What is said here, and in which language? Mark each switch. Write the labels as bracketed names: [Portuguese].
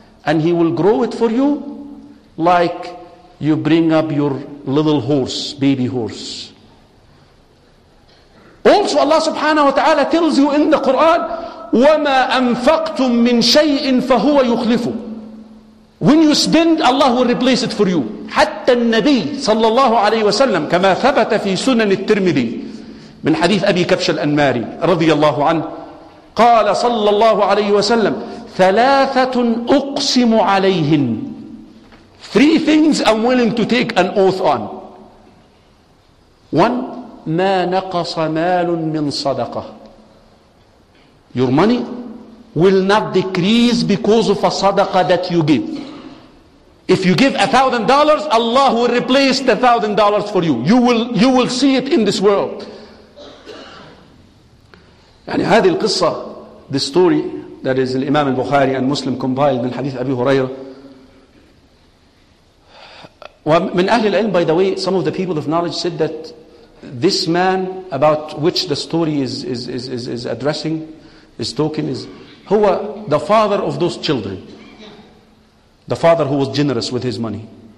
[English] And he will grow it for you like you bring up your little horse, baby horse. Also Allah subhanahu wa ta'ala tells you in the Quran, [Arabic] وَمَا أَنْفَقْتُمْ مِنْ شَيْءٍ فَهُوَ يُخْلِفُ. [English] When you spend, Allah will replace it for you. [Arabic] حتى النبي صلى الله عليه وسلم كما ثبت في سنن الترمذي من حديث أبي كبش الأنماري رضي الله عنه قال صلى الله عليه وسلم 3 أقسم عليهن. [English] 3 things I'm willing to take an oath on. [Arabic] 1. ما نقص مال من صدقة. [English] Your money will not decrease because of a sadaqah that you give. If you give $1,000, Allah will replace the $1,000 for you. You will see it in this world. [Arabic] يعني هذه القصة, [English] this story that is Imam al-Bukhari and Muslim compiled [Arabic] من حديث أبي هريرة. ومن أهل العلم, [English] by the way, some of the people of knowledge said that this man about which the story is addressing, is talking, is هو the father of those children. The father who was generous with his money.